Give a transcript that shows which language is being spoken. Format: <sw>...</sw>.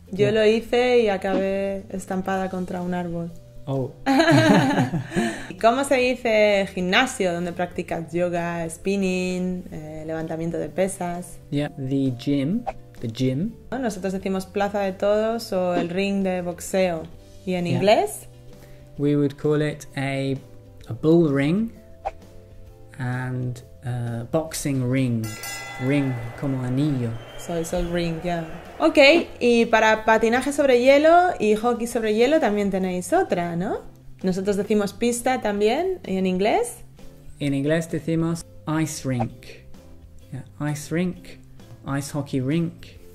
<es>Yo lo hice y acabé estampada contra un árbol. Oh. ¿Y cómo se dice gimnasio, donde practicas yoga, spinning, levantamiento de pesas?</es> <en>Yeah, the gym. The gym.</en> <es>Nosotros decimos plaza de todos o el ring de boxeo. ¿Y en inglés?</es> <en>We would call it a bull ring and a boxing ring.</en> <es>Ring como anillo.</es> <en>So it's all ring, yeah.</en> <es>Ok, y para patinaje sobre hielo y hockey sobre hielo también tenéis otra, ¿no? Nosotros decimos pista también. ¿Y en inglés? En inglés decimos ice rink. Yeah, ice rink.</es> <en>Ice hockey rink.</en>